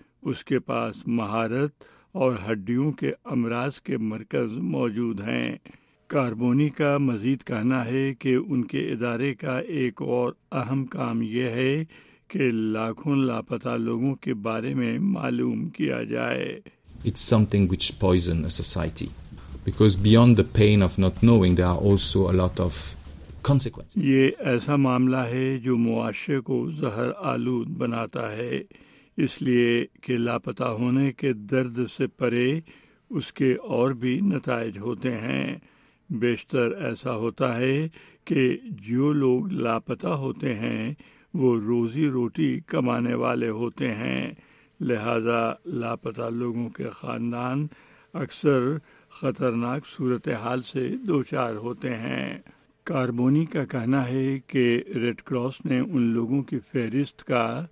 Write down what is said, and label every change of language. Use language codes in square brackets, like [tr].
[ur] اس کے پاس مہارت اور ہڈیوں کے امراض کے مرکز موجود ہیں۔ کاربونی کا مزید کہنا ہے کہ ان کے ادارے کا ایک اور اہم کام یہ ہے کہ لاکھوں لاپتہ لوگوں کے بارے میں معلوم کیا جائے۔ [en] It's something which poison a society. Because beyond the pain of not knowing, there are also a lot of consequences. [ur] یہ ایسا معاملہ ہے جو معاشرے کو زہر آلود بناتا ہے، اس لیے کہ لاپتہ ہونے کے درد سے پرے اس کے اور بھی نتائج ہوتے ہیں۔ بیشتر ایسا ہوتا ہے کہ جو لوگ لاپتہ ہوتے ہیں وہ روزی روٹی کمانے والے ہوتے ہیں، لہذا لاپتہ لوگوں کے خاندان اکثر خطرناک صورتحال سے دوچار ہوتے ہیں۔ کاربونی کا کہنا ہے کہ ریڈ کراس نے ان لوگوں کی فہرست کا